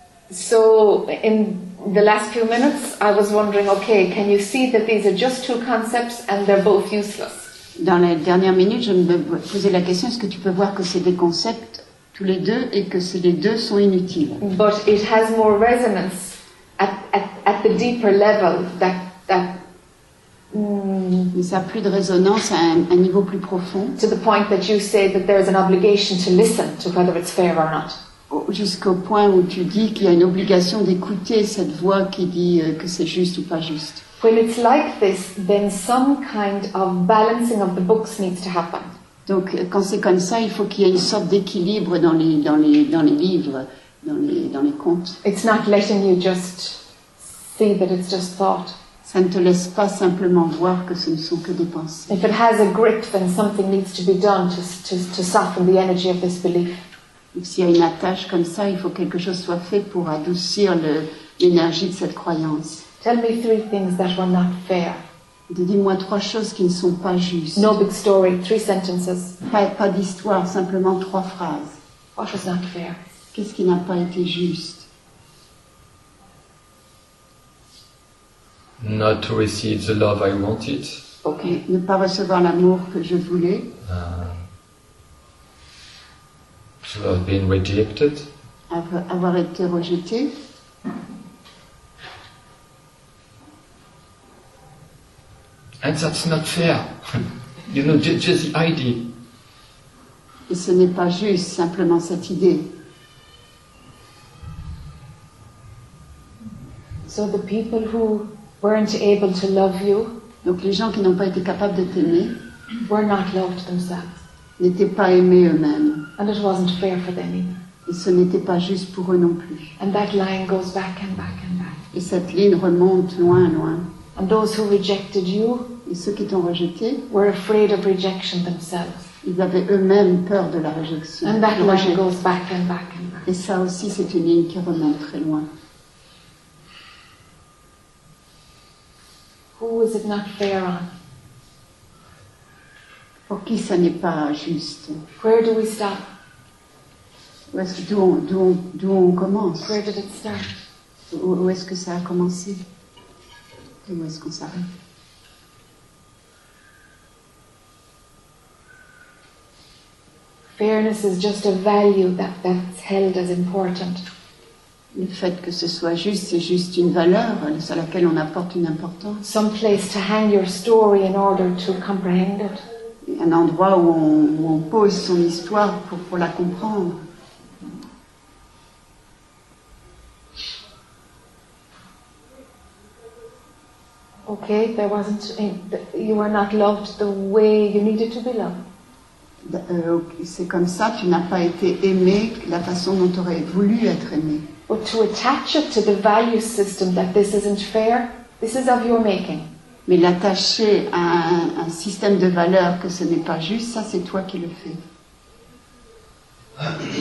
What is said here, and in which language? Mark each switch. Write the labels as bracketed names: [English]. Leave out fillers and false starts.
[English] So in the last few minutes, I was wondering, okay, can you see that these are just two concepts and they're both useless? [French] Dans les dernières minutes, je me posais la question, est-ce que tu peux voir que c'est des concepts tous les deux et que les deux sont inutiles? [English] But it has more resonance at the deeper level that. [French] Mais ça a plus de résonance à un niveau plus profond. [English] To the point that you say that there is an obligation to listen to whether it's fair or not. [French] Jusqu'au point où tu dis qu'il y a une obligation d'écouter cette voix qui dit que c'est juste ou pas juste. [English] When it's like this, then some kind of balancing of the books needs to happen. [French] Donc quand c'est comme ça, il faut qu'il y ait une sorte d'équilibre dans les livres, dans les contes. [English] It's not letting you just see that it's just thought. [French] Ça ne te laisse pas simplement voir que ce ne sont que des pensées. [English] If it has a grip, then something needs to be done to soften the energy of this belief. [French] S'il y a une attache comme ça, il faut que quelque chose soit fait pour adoucir l'énergie de cette croyance. [English] Tell me three things that were not fair. [French] Dis-moi trois choses qui ne sont pas justes. [English] No big story, three sentences. [French] Pas d'histoire, simplement trois phrases. [English] What was not fair? [French] Qu'est-ce qui n'a pas été juste? [English] Not to receive the love I wanted. Okay. [French] Ne pas recevoir l'amour que je voulais. [English] To have been rejected. [French] Avoir été rejeté. [English] And that's not fair. You know, just the idea. [French] Et ce n'est pas juste simplement cette idée. [English] So the people who weren't able to love you, [French] donc les gens qui n'ont pas été capables de t'aimer, [English] were not loved themselves. [French] N'étaient pas aimés eux-mêmes. [English] And it wasn't fair for them either. [French] Et ce n'était pas juste pour eux non plus. [English] And that line goes back and back and back. [French] Et cette ligne remonte loin, loin. [English] And those who rejected you, [French] et ceux qui t'ont rejeté, [English] were afraid of rejection themselves. [French] Ils avaient eux-mêmes peur de la rejection. [English] And that line goes back and back and back. [French] Et ça aussi, c'est une ligne qui remonte très loin. [English] Who is it not fair on? [French] Pour qui ça n'est pas juste? [English] Where do we stop? [French] Où est-ce que, d'où on commence? [English] Where did it start? [French] Où est-ce que ça a commencé? Et où est-ce qu'on s'arrête? [English] Fairness is just a value that's held as important. [French] Le fait que ce soit juste, c'est juste une valeur à laquelle on apporte une importance. [English] Some place to hang your story in order to comprehend it. [French] Un endroit où on pose son histoire pour la comprendre. [English] Okay, there wasn't. You were not loved the way you needed to be loved. [French] C'est comme ça. Tu n'as pas été aimé la façon dont tu aurais voulu être aimé. [English] But to attach it to the value system that this isn't fair, this is of your making. [French] Mais l'attacher à un système de valeurs que ce n'est pas juste, ça c'est toi qui le fais.